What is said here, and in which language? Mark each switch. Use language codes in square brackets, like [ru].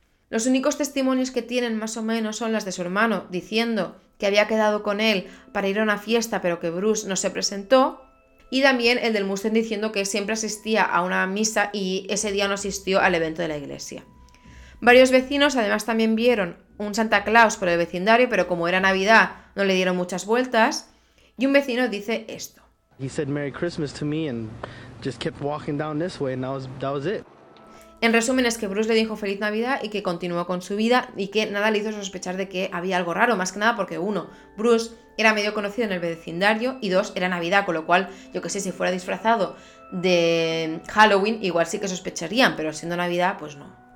[es] Los únicos testimonios que tienen más o menos son las de su hermano, diciendo que había quedado con él para ir a una fiesta pero que Bruce no se presentó, y también el del Mustang diciendo que siempre asistía a una misa y ese día no asistió al evento de la iglesia. Varios vecinos además también vieron un Santa Claus por el vecindario, pero como era Navidad no le dieron muchas vueltas, y un vecino dice esto. [en] He said Merry Christmas to me and just kept walking down this way and that was it. [es] En resumen, es que Bruce le dijo Feliz Navidad y que continuó con su vida y que nada le hizo sospechar de que había algo raro, más que nada porque uno, Bruce era medio conocido en el vecindario y dos, era Navidad, con lo cual, yo que sé, si fuera disfrazado de Halloween igual sí que sospecharían, pero siendo Navidad, pues no.